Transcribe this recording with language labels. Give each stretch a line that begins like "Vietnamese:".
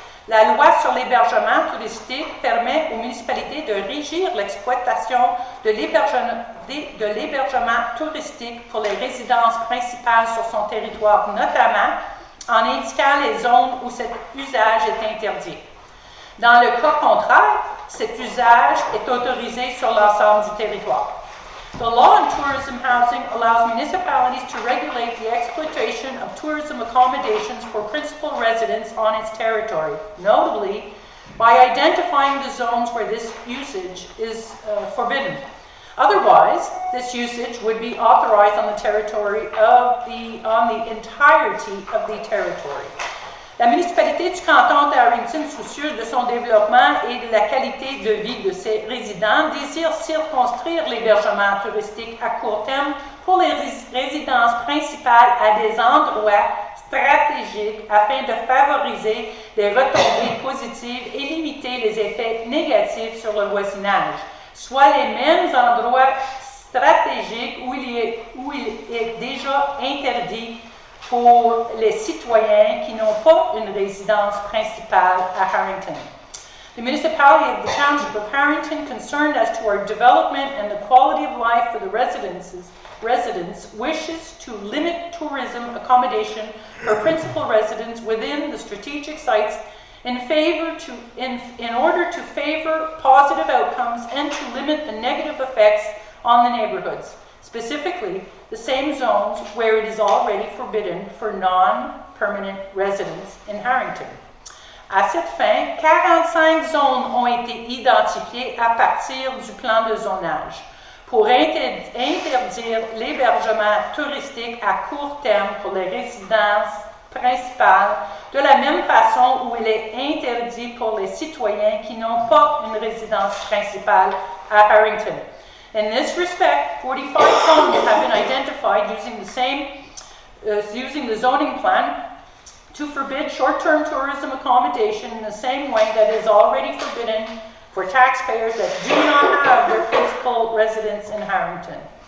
French: La loi sur l'hébergement touristique permet aux municipalités de régir l'exploitation de l'hébergement touristique pour les résidences principales sur son territoire, notamment en indiquant les zones où cet usage est interdit. Dans le cas contraire, cet usage est autorisé sur l'ensemble du territoire.
English: The law on tourism housing allows municipalities to regulate the exploitation of tourism accommodations for principal residents on its territory, notably by identifying the zones where this usage is forbidden. Otherwise, this usage would be authorized on the territory of the on the entirety of the territory.
French: La municipalité du canton de Harrington, soucieuse de son développement et de la qualité de vie de ses résidents, désire circonscrire l'hébergement touristique à court terme pour les résidences principales à des endroits stratégique afin de favoriser les retombées positives et limiter les effets négatifs sur le voisinage, soit les mêmes endroits stratégiques où il est déjà interdit pour les citoyens qui n'ont pas une résidence principale à Harrington.
English: The municipality of the township of Harrington, concerned as to our development and the quality of life for the residents, wishes to limit tourism accommodation for principal residents within the strategic sites in order to favor positive outcomes and to limit the negative effects on the neighborhoods, specifically the same zones where it is already forbidden for non-permanent residents in Harrington.
French: À cette fin, 45 zones ont été identifiées à partir du plan de zonage pour interdire l'hébergement touristique à court terme pour les résidences principales, de la même façon où il est interdit pour les citoyens qui n'ont pas une résidence principale à Harrington.
English: In this respect, 45 zones have been identified using the zoning plan to forbid short-term tourism accommodation in the same way that is already forbidden for taxpayers that do not have their principal residence in Harrington.